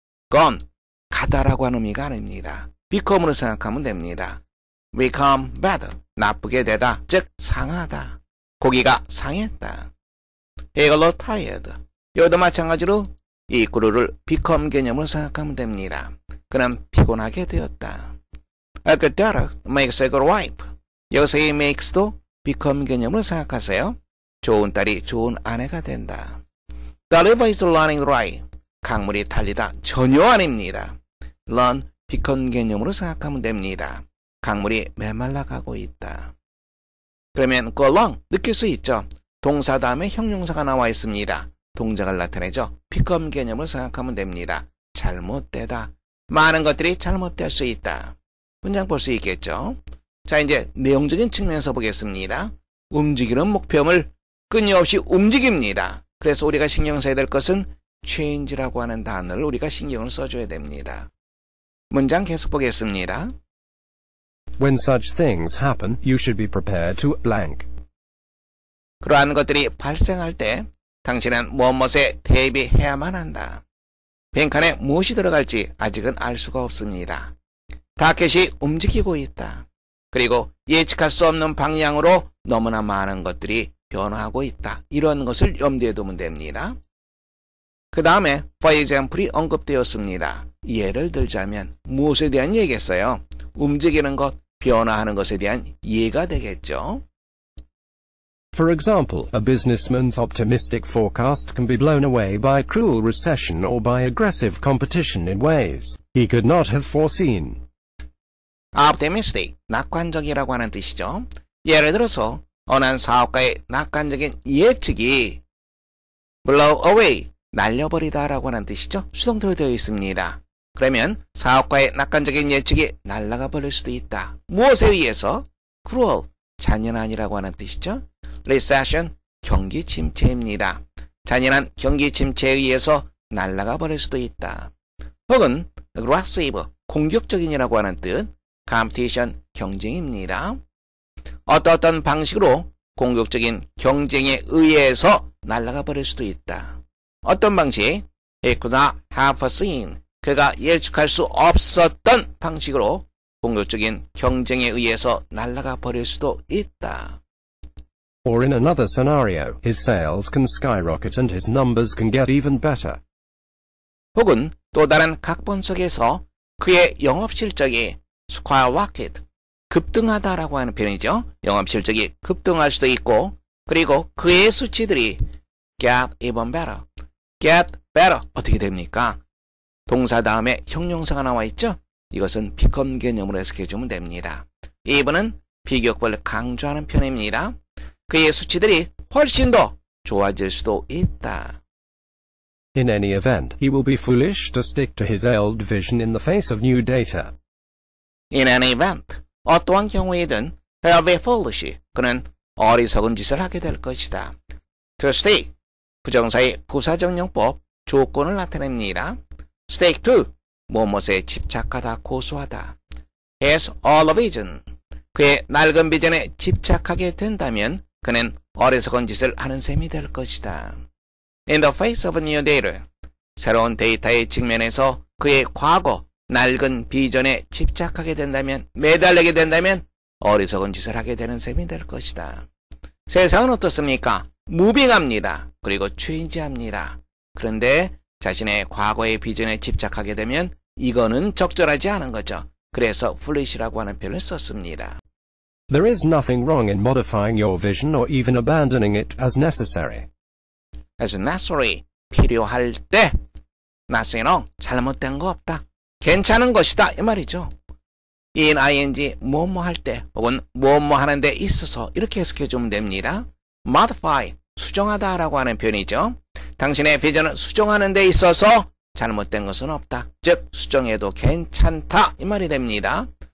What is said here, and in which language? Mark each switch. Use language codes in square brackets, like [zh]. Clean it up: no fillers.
[ko] gone, 가다라고 하는 의미가 아닙니다. become으로 생각하면 됩니다. become bad, 나쁘게 되다, 즉 상하다, 고기가 상했다. [en] he got tired. [ko] 이것도 마찬가지로 이 구루를 become 개념으로 생각하면 됩니다. 그는 피곤하게 되었다. [en] A good daughter makes a good wife. [ko] 여기서의 makes도 become 개념으로 생각하세요. 좋은 딸이 좋은 아내가 된다. [en] The river is running dry. [ko] 강물이 달리다 전혀 아닙니다. run, become 개념으로 생각하면 됩니다. 강물이 메말라가고 있다. 그러면 [en] go long, [ko] 느낄 수 있죠. 동사 다음에 형용사가 나와 있습니다. 동작을 나타내죠. become 개념으로 생각하면 됩니다. 잘못되다. 많은 것들이 잘못될 수 있다. 문장 볼 수 있겠죠. 자, 이제 내용적인 측면에서 보겠습니다. 움직이는 목표물 끊임없이 움직입니다. 그래서 우리가 신경 써야 될 것은 change라고 하는 단어를 우리가 신경을 써줘야 됩니다. 문장 계속 보겠습니다. [en] When such things happen, you should be prepared to blank. [ko] 그러한 것들이 발생할 때 당신은 무엇무엇에 대비해야만 한다. 빈칸에 무엇이 들어갈지 아직은 알 수가 없습니다. 타켓이 움직이고 있다. 그리고 예측할 수 없는 방향으로 너무나 많은 것들이 변화하고 있다. 이런 것을 염두에 두면 됩니다. 그 다음에 for example이 언급되었습니다. 예를 들자면 무엇에 대한 얘기겠어요? 움직이는 것, 변화하는 것에 대한 예가 되겠죠? [en] For example, a businessman's optimistic forecast can be blown away by a cruel recession or by aggressive competition in ways he could not have foreseen. [ko] Optimistic, 낙관적이라고 하는 뜻이죠. 예를 들어서 어느 한 사업가의 낙관적인 예측이 [en] blow away, [ko] 날려버리다라고 하는 뜻이죠. 수동태로 되어 있습니다. 그러면 사업가의 낙관적인 예측이 날아가 버릴 수도 있다. 무엇에 의해서? Cruel, 잔인한이라고 하는 뜻이죠. Recession, 경기 침체입니다. 잔인한 경기 침체에 의해서 날아가 버릴 수도 있다. 혹은 aggressive, 공격적인이라고 하는 뜻. Competition, 경쟁입니다. 어떤 방식으로 공격적인 경쟁에 의해서 날아가 버릴 수도 있다. 어떤 방식? [en] He could not have foreseen. [ko] 그가 예측할 수 없었던 방식으로 공격적인 경쟁에 의해서 날아가 버릴 수도 있다. [en] Or in another scenario, his sales can skyrocket and his numbers can get even better. [ko] 혹은 또 다른 각본 속에서 그의 영업실적이 skyrocket, 급등하다라고 하는 표현이죠. 영업실적이 급등할 수도 있고, 그리고 그의 수치들이 [en] get even better, get better [ko] 어떻게 됩니까? 동사 다음에 형용사가 나와 있죠? 이것은 become 개념으로 해석해 주면 됩니다. 이분은 비교급을 강조하는 편입니다. 그의 수치들이 훨씬 더 좋아질 수도 있다. [en] In any event, he will be foolish to stick to his old vision in the face of new data. In any event, [ko] 어떠한 경우이든 [en] he'll be foolish. [ko] 그는 어리석은 짓을 하게 될 것이다. To stick, 부정사의 부사정용법 조건을 나타냅니다. Stick to, 무엇에 집착하다, 고수하다. [en] Has all a vision, [ko] 그의 낡은 비전에 집착하게 된다면 그는 어리석은 짓을 하는 셈이 될 것이다. [en] In the face of new data, [ko] 새로운 데이터의 측면에서 그의 과거, 낡은 비전에 집착하게 된다면, 매달리게 된다면 어리석은 짓을 하게 되는 셈이 될 것이다. 세상은 어떻습니까? 무빙합니다. 그리고 체인지합니다. 그런데 자신의 과거의 비전에 집착하게 되면 이거는 적절하지 않은 거죠. 그래서 foolish라고 하는 표현을 썼습니다. [en] There is nothing wrong in modifying your vision or even abandoning it as necessary. As necessary, [ko] 필요할 때, [en] nothing wrong, [ko] 잘못된 거 없다, 괜찮은 것이다, 이 말이죠. In ing, 뭐뭐 할 때, 혹은 뭐뭐 하는 데 있어서, 이렇게 해석해 주면 됩니다. Modify, 수정하다 라고 하는 표현이죠. 당신의 비전을 수정하는 데 있어서 잘못된 것은 없다, 즉 수정해도 괜찮다, 이 말이 됩니다.